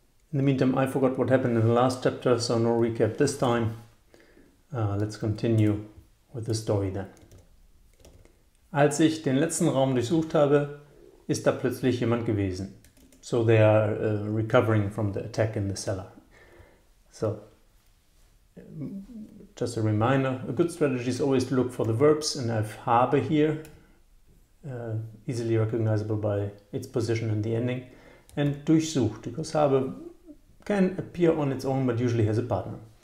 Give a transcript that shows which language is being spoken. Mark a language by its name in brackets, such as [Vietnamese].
[English] In the meantime, I forgot what happened in the last chapter, so no recap this time. Let's continue with the story then. [German] Als ich den letzten Raum durchsucht habe, ist da plötzlich jemand gewesen. [English] So they are recovering from the attack in the cellar. So, just a reminder, a good strategy is always to look for the verbs, and I habe here. Easily recognizable by its position in the ending, and durchsucht, because habe can appear on its own but usually has a partner.